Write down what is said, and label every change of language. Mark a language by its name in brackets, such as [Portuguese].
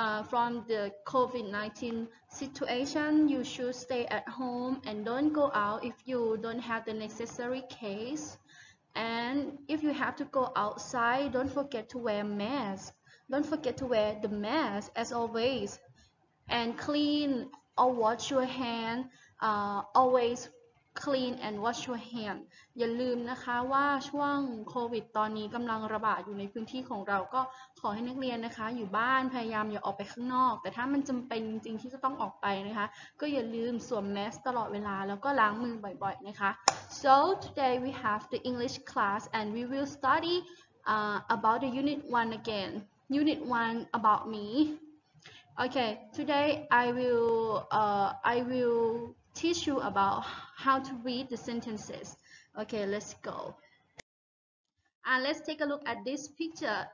[English] From the COVID-19 situation, you should stay at home and don't go out if you don't have the necessary case. And if you have to go outside, don't forget to wear mask. Don't forget to wear the mask as always. And cleanor wash your hand [Thai] always clean and wash your hand อย่าลืมนะคะว่าช่วงโควิดตอนนี้กำลังระบาดอยู่ในพื้นที่ของเราก็ ขอให้นักเรียนนะคะอยู่บ้านพยายามอย่าออกไปข้างนอกแต่ถ้ามันจำเป็นจริงๆที่จะต้องออกไปนะคะก็อย่าลืมสวมแมสตลอดเวลาแล้วก็ล้างมือบ่อยๆนะคะ [English] So today we have the English class and we will study about the unit 1 again unit 1 about meOkay, today I will teach you about how to read the sentences. Okay, let's go. And let's take a look at this picture.